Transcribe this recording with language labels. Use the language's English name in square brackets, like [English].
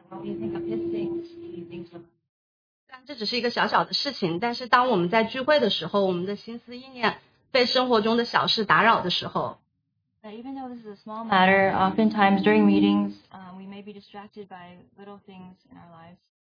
[English] And when we think of his things, he thinks of us. [Chinese] 但这只是一个小小的事情，但是当我们在聚会的时候，我们的心思意念被生活中的小事打扰的时候， [English] even though this is a small matter, oftentimes during meetings, we may be distracted by little things in our lives.